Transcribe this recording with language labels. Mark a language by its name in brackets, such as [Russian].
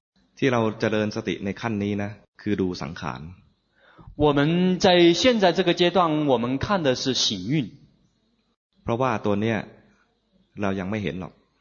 [Thai] ที่เราเจริญสติในขั้นนี้นะคือดูสังขาร [Chinese] 我们在现在这个阶段我们看的是行运 [Thai] เพราะว่าตัวเนี้ยเรายังไม่เห็นหรอก